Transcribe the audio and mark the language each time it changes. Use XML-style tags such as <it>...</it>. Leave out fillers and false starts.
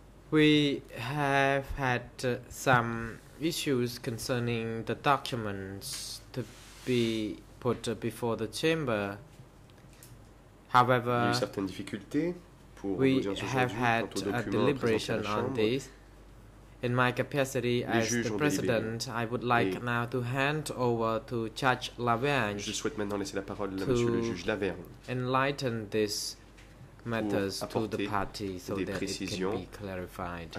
<en>We have had some issues concerning the documents to be put before the chamber. However,</en> <fr>il y a eu certaines difficultés pour l'audience aujourd'hui quant aux documents présentés à la</fr> <en>deliberation on this. In my capacity as the President, I would like now to hand over to Judge Lavergne.</en> <fr>Je souhaite maintenant laisser la parole à Monsieur le juge Lavergne.</fr> <en>Enlighten this matters to the party so that it can be clarified.</en>